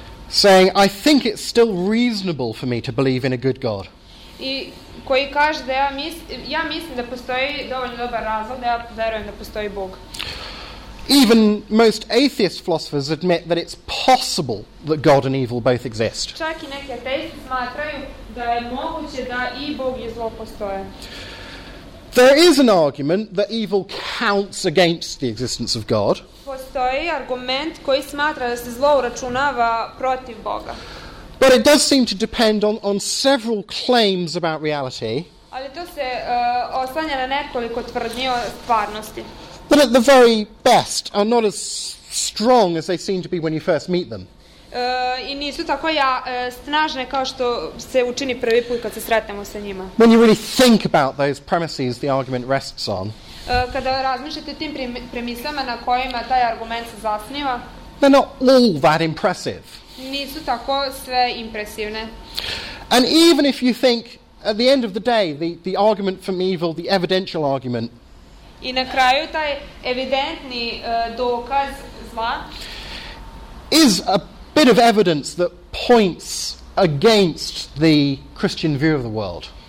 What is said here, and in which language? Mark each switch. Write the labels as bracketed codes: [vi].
[en] saying, I think it's still reasonable for me to believe in a good God. [sr] I koji kaže da ja mislim da postoji dovoljno dobar razlog da ja verujem da postoji Bog. [en] Even most atheist philosophers admit that it's possible that God and evil both exist. [sr] Čak i neki ateisti smatraju da je moguće da i Bog i zlo postoje. [en] There is an argument that evil counts against the existence of God. [sr] Postoji argument koji smatra da se zlo uračunava protiv Boga. [en] But it does seem to depend on several claims about reality. [sr] Ali to se oslanja na nekoliko tvrdnji o stvarnosti. [en] But at the very best are not as strong as they seem to be when you first meet them. [sr] I nisu tako snažne kao što se učini prvi put kad se sretnemo sa njima. [en] When you really think about those premises the argument rests on. [sr] Kada razmišljate tim premisama na kojima taj argument se zasniva. [en] They're not all that impressive. [sr] Nisu tako sve impresivne. [en] And even if you think at the end of the day the argument from evil, the evidential argument, [sr] i na kraju taj evidentni dokaz zla [en] is a bit of evidence that points against the Christian view of the world.